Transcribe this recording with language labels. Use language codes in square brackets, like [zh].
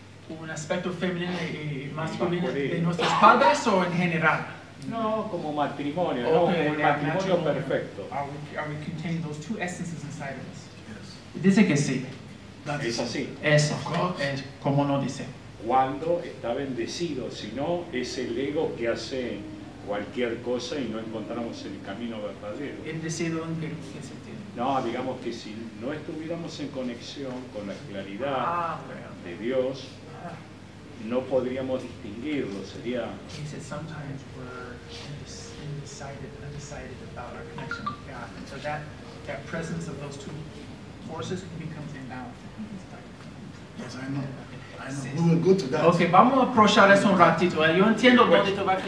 [es] ¿Un aspecto femenino y masculino de nuestros padres o en general? No, como matrimonio, okay, no, como el matrimonio perfecto. [en] Are we contain those two essences inside of us? Yes. [es] Dice que sí. Es así. Eso. Es como no dice. Cuando está bendecido, si no, es el ego que hace cualquier cosa y no encontramos el camino verdadero. ¿Bendecido en qué sentido? No, digamos que si no estuviéramos en conexión con la claridad de Dios, no podríamos distinguirlo, sería. [en] He said sometimes we're undecided about our connection with God, and so that presence of those two forces becomes imbalanced. Yes, I know. Yeah. I know. We will go to that. [es] Okay, vamos a aprovechar eso un ratito. Yo entiendo dónde tú vas.